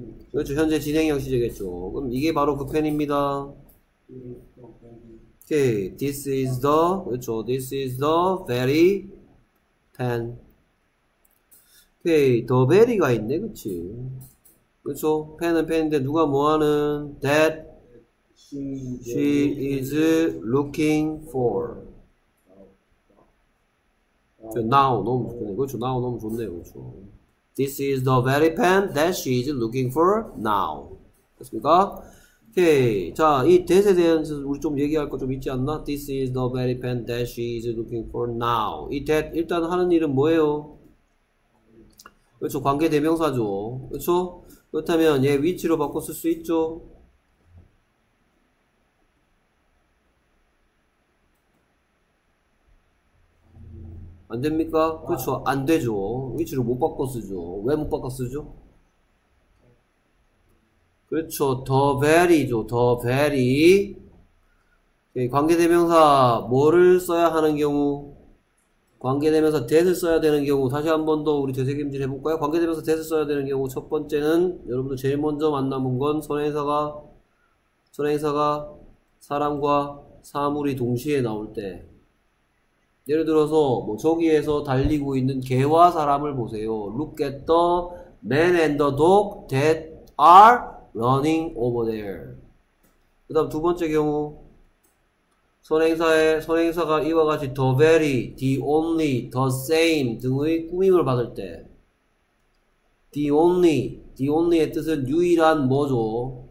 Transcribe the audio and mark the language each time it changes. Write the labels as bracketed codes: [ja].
[ko] 그렇죠, 현재 진행형 시제겠죠. 그럼 이게 바로 그 펜입니다. [en] 오케이, this is the, [ko] 그렇죠, [en] this is the very pen. [ko] 오케이, [en] the very [ko] 가 있네, 그치? 그쵸? 펜은 펜인데 누가 뭐하는? [en] That she is looking for. [ko] 그 now 너무 좋네. 그쵸? now 너무 좋네요. 그쵸? [en] This is the very pen that she is looking for now. [ko] 됐습니까? 오케이. 자, 이 that에 대해서 우리 좀 얘기할 거좀 있지 않나? [en] This is the very pen that she is looking for now. [ko] 이 that 일단 하는 일은 뭐예요? 그렇죠, 관계 대명사죠. 그렇죠? 그렇다면 얘 위치로 바꿔 쓸수 있죠. 안 됩니까? 그렇죠, 안 되죠. 위치로 못 바꿔 쓰죠. 왜못 바꿔 쓰죠? 그렇죠, the very죠, the very. 관계 대명사 뭐를 써야 하는 경우? 관계대명사 that을 써야 되는 경우, 다시 한번더 우리 되새김질 해볼까요? 관계대명사 that을 써야 되는 경우, 첫 번째는 여러분들 제일 먼저 만나본 건 선행사가 사람과 사물이 동시에 나올 때. 예를 들어서 뭐 저기에서 달리고 있는 개와 사람을 보세요. [en] Look at the man and the dog that are running over there. [ko] 그다음 두 번째 경우. 선행사가 이와 같이 [en] the very, the only, the same [ko] 등의 꾸밈을 받을 때, the only의 뜻은 유일한 뭐죠?